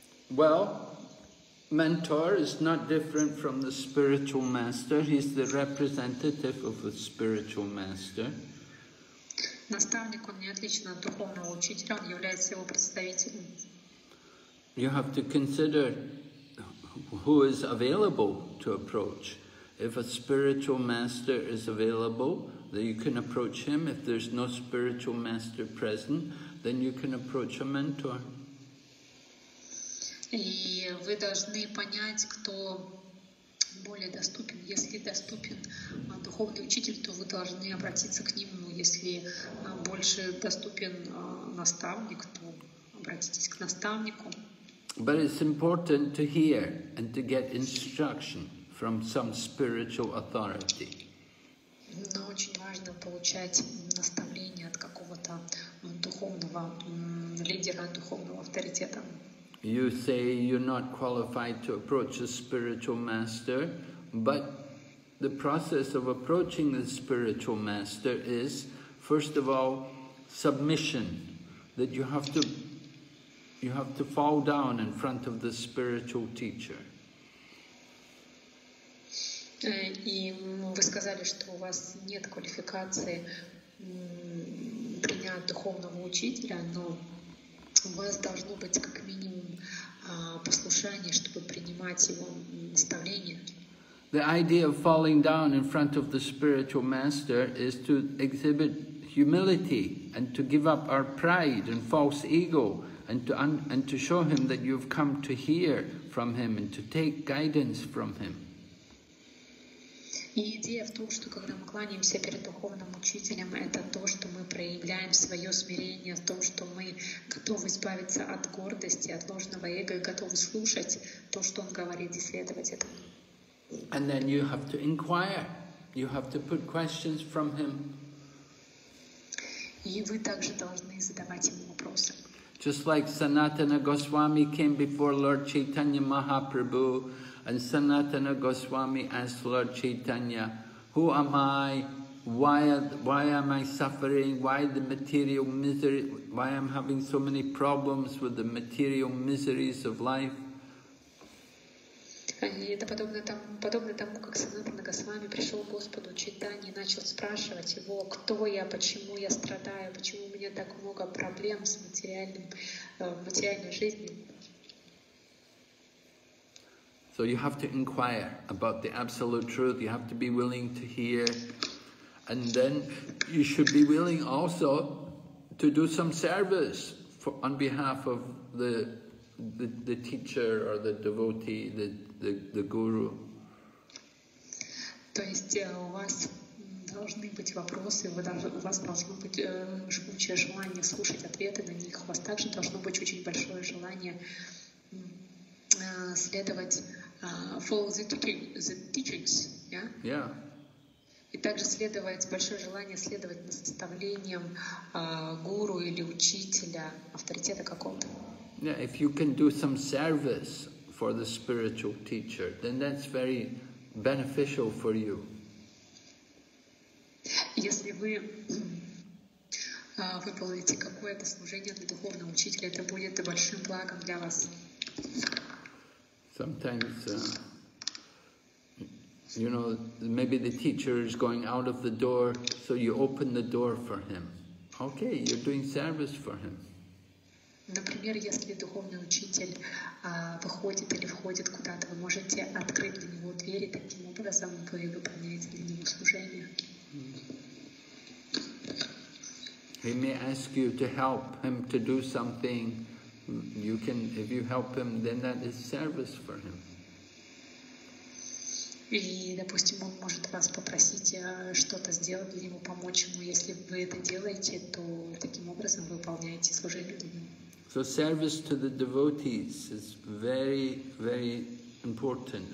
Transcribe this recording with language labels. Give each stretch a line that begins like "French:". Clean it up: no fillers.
English: Well, mentor is not different from the spiritual master. He's the representative of the spiritual master.
Russian: Наставник, он не отличен от духовного учителя, он является его представителем.
English: You have to consider who is available to approach. If a spiritual master is available, that you can approach him. If there's no spiritual master present, then you can approach a mentor.
Russian: И вы должны понять, кто более доступен. Если доступен духовный учитель, то вы должны обратиться к нему. Если больше доступен наставник, то обратитесь к наставнику.
English: But it's important to hear and to get instruction from some spiritual authority.
Russian: Но очень важно получать наставление от какого-то духовного лидера, духовного авторитета.
English: You say you're not qualified to approach a spiritual master, but the process of approaching the spiritual master is, first of all, submission, that you have to fall down in front of the spiritual teacher.
Russian: И вы сказали, что у вас нет квалификации принять духовного учителя, но у вас должно быть как минимум послушание, чтобы принимать его наставления.
English: The idea of falling down in front of the spiritual master is to exhibit humility and to give up our pride and false ego and to show him that you've come to hear from him and to take guidance from him.
Russian: И идея в том, что когда мы кланяемся перед духовным учителем, это то, что мы проявляем свое смирение, в том, что мы готовы избавиться от гордости, от ложного эго и готовы слушать то, что он говорит, и следовать этому.
English: And then you have to inquire. You have to put questions from him.
Russian: И вы также должны задавать ему вопросы.
English: Just like Sanatana Goswami came before Lord Chaitanya Mahaprabhu, and Sanatana Goswami asked Lord Chaitanya, who am I? Why am I suffering? Why the material misery? Why am I having so many problems with the material miseries of life?
Russian: И это подобно тому, как Санатана Госвами пришел к Господу Чайтанье и начал спрашивать его, кто я, почему я страдаю, почему у меня так много проблем с материальной жизнью.
English: So you have to inquire about the absolute truth, you have to be willing to hear, and then you should be willing also to do some service for, on behalf of the teacher or the devotee, the guru.
Russian: То есть у вас должны быть вопросы, у вас должно быть жгучее желание слушать ответы на них, у вас также должно быть очень большое желание следовать
English: follow the teachings, yeah? Yeah.
Russian: И также следовать, большое желание следовать наставлениям гуру или учителя, авторитета какого-то.
English: Yeah, if you can do some service for the spiritual teacher, then that's very beneficial for you.
Russian: Если вы выполните какое-то служение для духовного учителя, это будет большим благом для вас.
English: Sometimes, you know, maybe the teacher is going out of the door, so you open the door for him. Okay, you're doing service for him.
Russian: Например, если духовный учитель выходит или входит куда-то, вы можете открыть для него двери, таким образом вы выполняете для него служение.
English: He may ask you to help him to do something. You can, if you help him, then that is service for him.
Russian: И, допустим, он может вас попросить что-то сделать для него, помочь ему. Если вы это делаете, то таким образом вы выполняете служение для него.
English: So service to the devotees is very, very important.